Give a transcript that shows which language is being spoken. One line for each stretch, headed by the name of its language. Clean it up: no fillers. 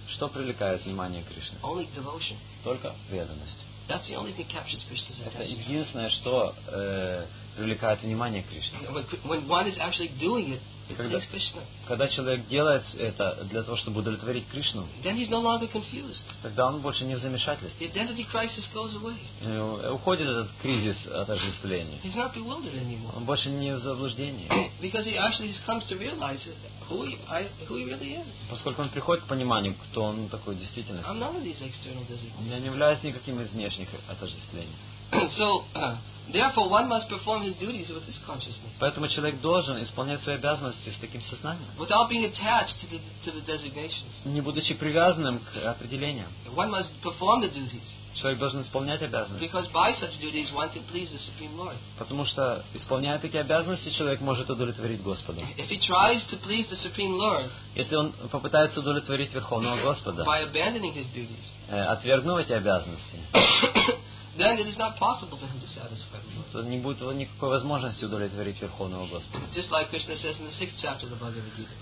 Russian: Что привлекает внимание Кришны?
English: Only devotion.
Russian: Только преданность.
English: That's the only thing captures Krishna's attention.
Russian: Это единственное, что привлекает внимание Кришны.
English: When one is actually doing it, it takes Krishna.
Russian: Когда человек делает это для того, чтобы удовлетворить Кришну,
English: then he's no longer confused.
Russian: Тогда он больше не в замешательстве.
English: The identity crisis goes away.
Russian: Уходит этот кризис отождествления.
English: He's not bewildered anymore.
Russian: Он больше не в заблуждении.
English: Because he actually comes to realize who he really is.
Russian: Поскольку он приходит к пониманию, кто он такой действительно.
English: I'm none of these external designations.
Russian: Я не являюсь никаким из внешних отождествлений.
English: So, therefore, one must perform his duties with this consciousness.
Russian: Поэтому человек должен исполнять свои обязанности с таким сознанием.
English: Without being attached to the designations.
Russian: Не будучи привязанным к определениям.
English: One must perform the duties.
Russian: Человек должен исполнять обязанности.
English: Because by such duties one can please the Supreme Lord.
Russian: Потому что исполняя такие обязанности, человек может удовлетворить Господа.
English: If he tries to please the Supreme Lord.
Russian: Если он попытается удовлетворить Верховного Господа.
English: By abandoning his duties.
Russian: Отвергнув эти обязанности.
English: Then it is not possible for him to satisfy the Lord.
Russian: Не будет никакой возможности удовлетворить Верховного Господа.
English: Just like Krishna says in the 6th chapter of the Bhagavad Gita.